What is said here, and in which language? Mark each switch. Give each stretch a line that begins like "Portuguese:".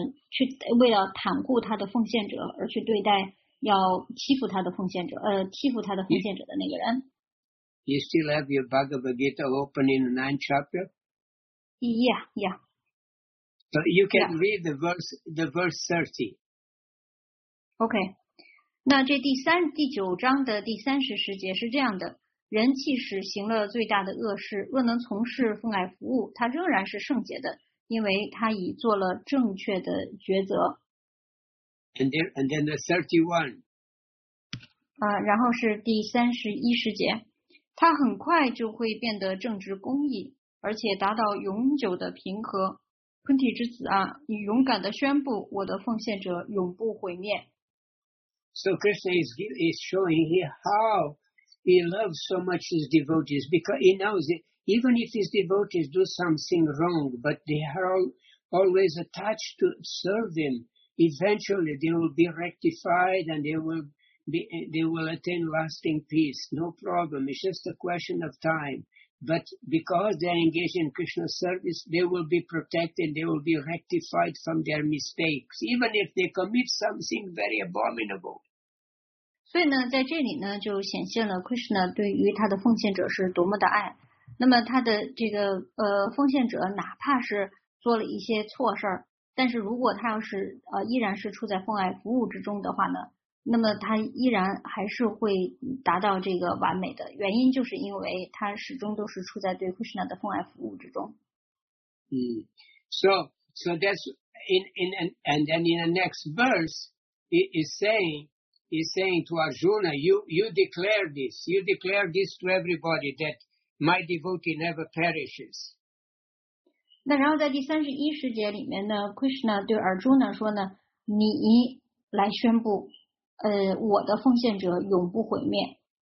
Chinese: 去为了袒护他的奉献者而去对待要欺负他的奉献者欺负他的奉献者的那个人。
English: You still have your Bhagavad Gita open in the 9th chapter? Yeah, yeah. So you can read the verse 30. Okay.
Chinese: 那这第九章的第三十十节是这样的。人即使行了最大的恶事，若能从事奉爱服务，他仍然是圣洁的。因为他已做了正确的抉择。
English: And then the 31.
Chinese: 然后是第三十一十节。他很快就会变得正直公义，而且达到永久的平和。昆体之子啊，你勇敢地宣布，我的奉献者永不毁灭。
English: So Krishna is showing here how he loves so much his devotees because he knows it. Even if his devotees do something wrong, but they are always attached to serve him, eventually they will be rectified and they will they will attain lasting peace. No problem. It's just a question of time. But because they are engaged in Krishna service, they will be protected. They will be rectified from their mistakes, even if they commit something very abominable.
Chinese: 所以呢，在这里呢，就显现了 Krishna 对于他的奉献者是多么的爱。那么他的这个奉献者哪怕是做了一些错事儿，但是如果他要是依然是处在奉爱服务之中的话呢，那么他依然还是会达到这个完美的，原因就是因为他始终都是处在对 Krishna 的奉爱服务之中。
English: So that's in and then in the next verse he's saying to Arjuna, you declare this, you declare this to everybody that my devotee never perishes.
Chinese: 那然后在第三十一十节里面呢 ，Krishna 对 Arjuna 说呢，你来宣布，我的奉献者永不毁灭。